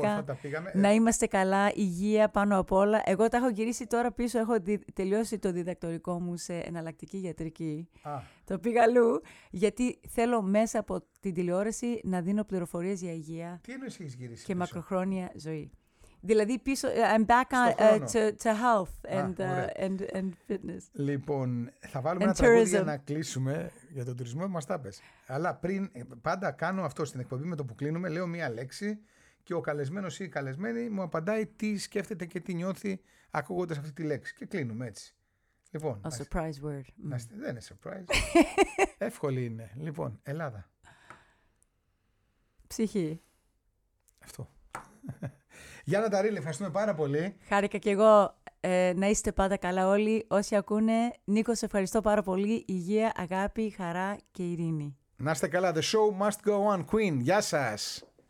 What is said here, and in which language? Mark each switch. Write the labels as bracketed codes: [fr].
[el] Όμορφα τα πήγαμε. Να είμαστε καλά, υγεία πάνω απ' όλα. Εγώ τα έχω γυρίσει τώρα πίσω, έχω τελειώσει το διδακτορικό μου σε εναλλακτική γιατρική. Α. Το πήγα αλλού, γιατί θέλω μέσα από την τηλεόραση να δίνω πληροφορίες για υγεία. Τι εννοείς έχεις γυρίσει και πίσω? Μακροχρόνια ζωή. Δηλαδή πίσω, [en] I'm back on, to health and, and fitness. [el] Λοιπόν, θα βάλουμε ένα τραγούδι για να κλείσουμε για τον τουρισμό που μας τα πες. Αλλά πριν, πάντα κάνω αυτό στην εκπομπή με το που κλείνουμε, λέω μία λέξη και ο καλεσμένος ή η καλεσμένη μου απαντάει τι σκέφτεται και τι νιώθει ακούγοντας αυτή τη λέξη. Και κλείνουμε έτσι. Λοιπόν, [en] a surprise word. [el] Δεν είναι surprise. Εύκολη είναι. Λοιπόν, Ελλάδα. Ψυχή. Αυτό. Γιάννα Ταρίλη, ευχαριστούμε πάρα πολύ. Χάρηκα και εγώ. Να είστε πάντα καλά όλοι όσοι ακούνε. Νίκο, σε ευχαριστώ πάρα πολύ. Υγεία, αγάπη, χαρά και ειρήνη. Να είστε καλά. [en] The show must go on, Queen. [el] Γεια σας.